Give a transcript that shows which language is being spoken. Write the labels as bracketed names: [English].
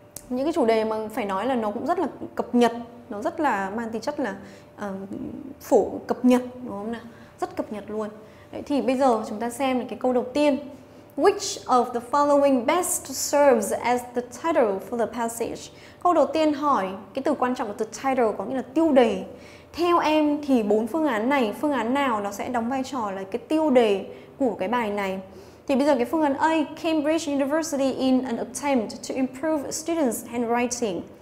[Vietnamese] những cái chủ đề mà phải nói là nó cũng rất là cập nhật, nó rất là mang tính chất là phổ cập nhật, đúng không nào? Rất cập nhật luôn. Đấy, thì bây giờ chúng ta xem cái câu đầu tiên. [English] Which of the following best serves as the title for the passage? [Vietnamese] Câu đầu tiên hỏi cái từ quan trọng của [English] the title [Vietnamese] có nghĩa là tiêu đề. Theo em thì bốn phương án này, phương án nào nó sẽ đóng vai trò là cái tiêu đề của cái bài này? Thì bây giờ cái phương án A, [English] Cambridge University in an attempt to improve students' handwriting.